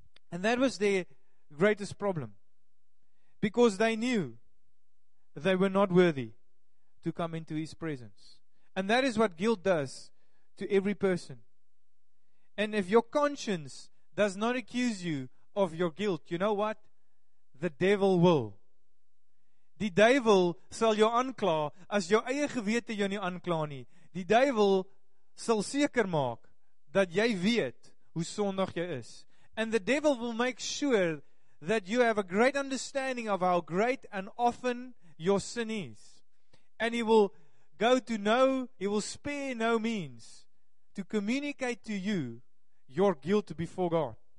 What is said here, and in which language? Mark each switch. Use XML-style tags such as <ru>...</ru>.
<en>And that was their greatest problem. Because they knew they were not worthy to come into His presence. And that is what guilt does to every person. And if your conscience does not accuse you of your guilt, you know what? The devil will.</en> <af>Die duivel sal jou aankla as jou eie gewete jou nie aankla nie. Die duivel sal seker maak dat jy weet hoe sondig jy is.</af> <en>And the devil will make sure that you have a great understanding of how great and often your sin is. And he will spare no means to communicate to you your guilt before God.</en>